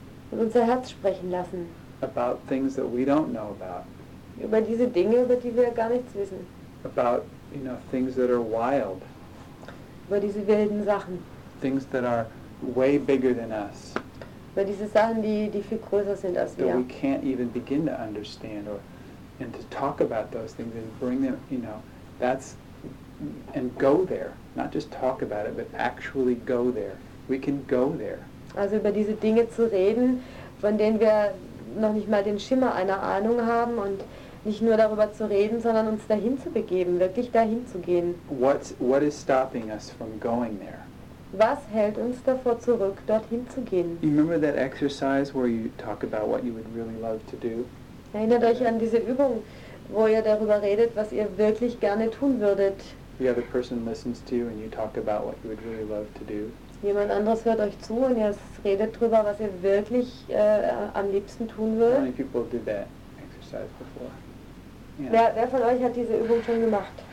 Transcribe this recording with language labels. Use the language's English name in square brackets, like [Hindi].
[German] Und unser Herz sprechen lassen. [English] About things that we don't know about. [German] über diese Dinge, über die wir gar nichts wissen. [English] About, you know, things that are wild. [German] Über diese wilden Sachen. [English] Things that are way bigger than us. [German] Über diese Sachen, die viel größer sind als [English] that [German] wir. [English] We can't even begin to understand or and to talk about those things and bring them, you know, that's and go there. Not just talk about it, but actually go there. We can go there. [German] Also über diese Dinge zu reden, von denen wir noch nicht mal den Schimmer einer Ahnung haben und nicht nur darüber zu reden, sondern uns dahin zu begeben, wirklich dahin zu gehen. [English] What is stopping us from going there? [German] Was hält uns davor zurück, dorthin zu gehen? [English] You remember that exercise where you talk about what you would really love to do? [German] Erinnert euch an diese Übung, wo ihr darüber redet, was ihr wirklich gerne tun würdet. [English] The other person listens to you and you talk about what you would really love to do. [German] Jemand anderes hört euch zu und ihr redet drüber, was ihr wirklich am liebsten tun würdet. [English] How many people did that exercise before? Yeah. [German] Wer von euch hat diese Übung schon gemacht?